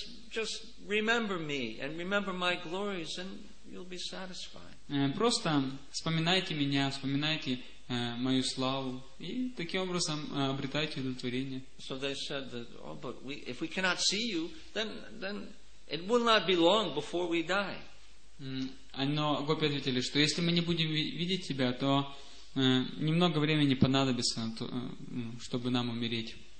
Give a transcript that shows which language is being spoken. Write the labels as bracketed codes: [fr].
[en] Just remember me and remember my glories, and you'll be satisfied. [ru] Просто вспоминайте меня, вспоминайте мою славу, и таким образом обретайте удовлетворение. [en] So they said that, oh, but we, if we cannot see you, then it will not be long before we die. [ru] Но гопи ответили, что если мы не будем видеть тебя, то немного времени понадобится, чтобы нам умереть.